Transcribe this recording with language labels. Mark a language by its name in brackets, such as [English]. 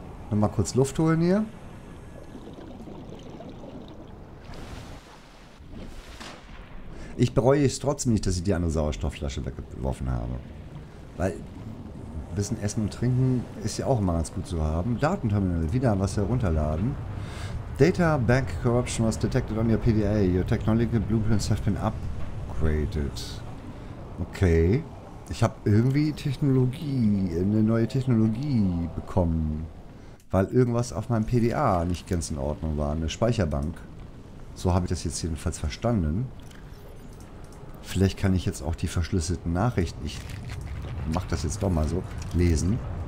[German] Nochmal kurz Luft holen hier. Ich bereue es trotzdem nicht, dass ich die andere Sauerstoffflasche weggeworfen habe. Weil ein bisschen Essen und Trinken ist ja auch immer ganz gut zu haben. Datenterminal, wieder was herunterladen. [English] Data Bank Corruption was detected on your PDA. Your technology blueprints have been upgraded. Okay. [German] Ich habe irgendwie eine neue Technologie bekommen, weil irgendwas auf meinem PDA nicht ganz in Ordnung war, eine Speicherbank. So habe ich das jetzt jedenfalls verstanden. Vielleicht kann ich jetzt auch die verschlüsselten Nachrichten, ich mache das jetzt doch mal so, lesen.